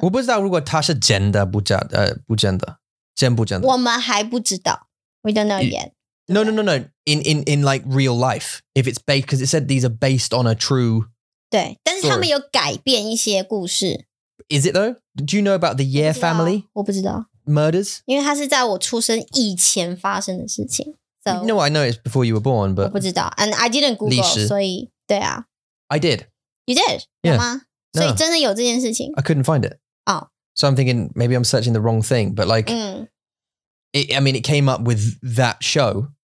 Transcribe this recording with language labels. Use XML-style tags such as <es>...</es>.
<zh>我不知道如果他是真的,不真的。我们还不知道。</zh> <en>We don't know yet. No. In like real life. If it's based, because it said these are based on a true</en> <zh>对, 但是他们有改变一些故事。</zh> <en>Is it though? Do you know about the Ye family?</en> <zh>我不知道。</zh> <en>Murders?</en> <zh>因为它是在我出生以前发生的事情。</zh> <en>So, no, I know it's before you were born, but</en> <zh>我不知道。</zh> <en>And I didn't Google,</en> <zh>历史。所以, 对啊。</zh> <en>I did. You did? Yeah.</en> <zh>有吗?</zh> <en>No.</en> <zh>所以真的有这件事情?</zh> <en>I couldn't find it. Oh. So I'm thinking, maybe I'm searching the wrong thing, but like... It came up with that show.</en>